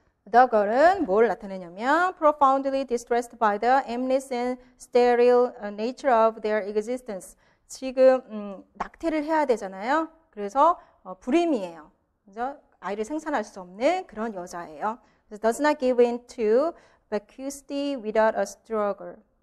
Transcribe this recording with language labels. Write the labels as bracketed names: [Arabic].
[English] The girl은 [Korean] 뭘 나타내냐면 [English] profoundly distressed by the aimless and sterile nature of their existence. [Korean] 지금 낙태를 해야 되잖아요. 그래서 불임이에요. 그죠? 아이를 생산할 수 없는 그런 여자예요. [English] Does not give in to vacuity without a struggle.